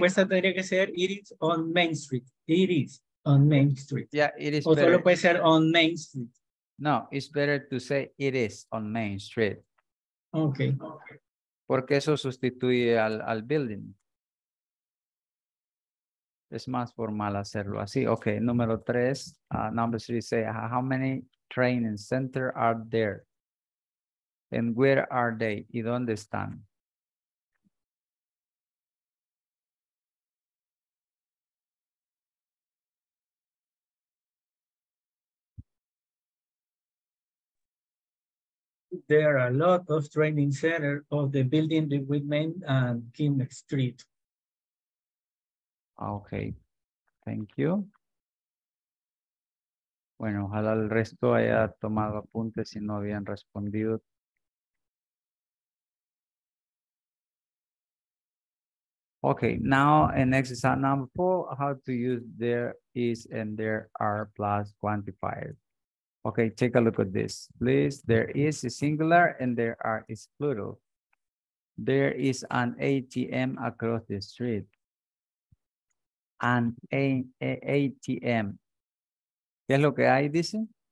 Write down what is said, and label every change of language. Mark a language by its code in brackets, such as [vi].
[es] respuesta tendría que ser, [en] it is on Main Street. It is on Main Street. Yeah, it is [es] o better. Solo puede ser [en] on Main Street. No, it's better to say it is on Main Street. Okay. [es] Porque eso sustituye al building. Es más formal hacerlo así. Okay, número tres. [en] Number three say, how many training centers are there? And where are they? [es] ¿Y dónde están? [en] There are a lot of training centers of the building between Main and King Street. Okay, thank you. [es] Bueno, ojalá el resto haya tomado apuntes si no habían respondido. [en] Okay, now an exercise number four, how to use there is and there are plus quantifiers. Okay, take a look at this. Please, there is a singular and there are is plural. There is an ATM across the street. An ATM. [es] ¿Qué es lo que hay, dice?